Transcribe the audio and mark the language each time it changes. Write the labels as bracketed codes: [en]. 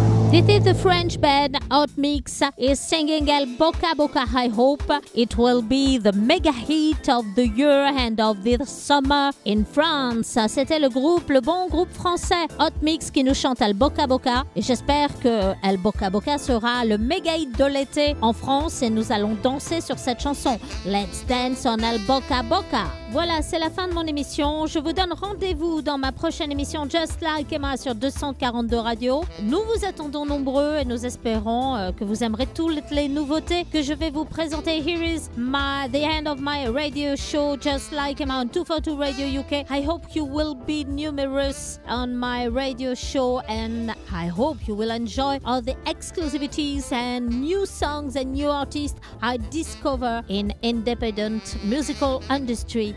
[en] This is the French band HOTMIX is singing El Boca Boca. I hope it will be the mega hit of the year and of this summer in France. [fr] C'était le groupe, le bon groupe français HOTMIX qui nous chante El Boca Boca. Et j'espère que El Boca Boca sera le mega hit de l'été en France et nous allons danser sur cette chanson. [en] Let's dance on El Boca Boca. [fr] Voilà, c'est la fin de mon émission. Je vous donne rendez-vous dans ma prochaine émission Just Like Emma sur 242 Radio. Nous vous attendons nombreux et nous espérons que vous aimerez toutes les nouveautés que je vais vous présenter. [en] Here is the end of my radio show Just Like Emma on 242 Radio UK. I hope you will be numerous on my radio show and I hope you will enjoy all the exclusivities and new songs and new artists I discover in independent musical industry.